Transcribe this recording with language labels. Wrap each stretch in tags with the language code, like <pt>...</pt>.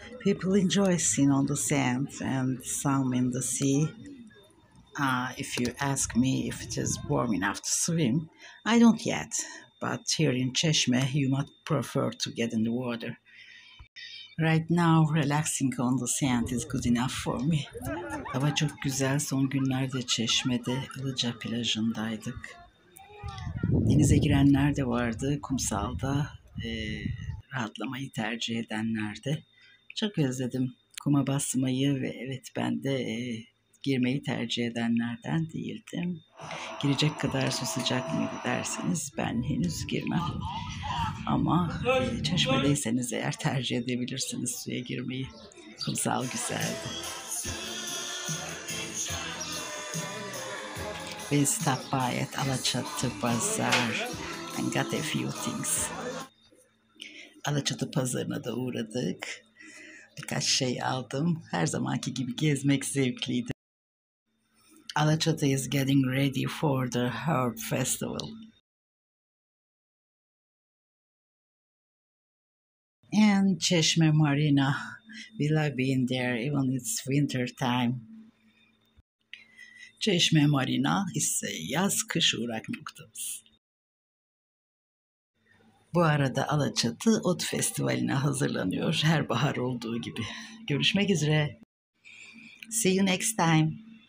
<en>People enjoy sitting on the sand and some in the sea. If you ask me if it is warm enough to swim, I don't yet. But here in Çeşme, you might prefer to get in the water. Right now, relaxing on the sand is good enough for me.</en> <tr>Hava çok güzel. Son günlerde Çeşme'de Ilıca plajındaydık. Denize girenler de vardı kumsalda. Rahatlamayı tercih edenler de. Çok özledim kuma basmayı ve evet ben de girmeyi tercih edenlerden değildim. Girecek kadar su sıcak mıydı derseniz ben henüz girmem. Ama Çeşme'deyseniz eğer tercih edebilirsiniz suya girmeyi. Kumsal güzeldi.</tr> <en>We stop by at Alaçatı Bazar and got a few things.</en> <tr>Alaçatı Pazarı'na da uğradık. Birkaç şey aldım. Her zamanki gibi gezmek zevkliydi.</tr> <en>Alaçatı is getting ready for the Herb Festival. And Çeşme Marina. We love being there even if it's winter time.</en> <tr>Çeşme Marina ise yaz-kış uğrak noktamız. Bu arada Alaçatı Ot Festivali'ne hazırlanıyor her bahar olduğu gibi. Görüşmek üzere.</tr> <en>See you next time.</en>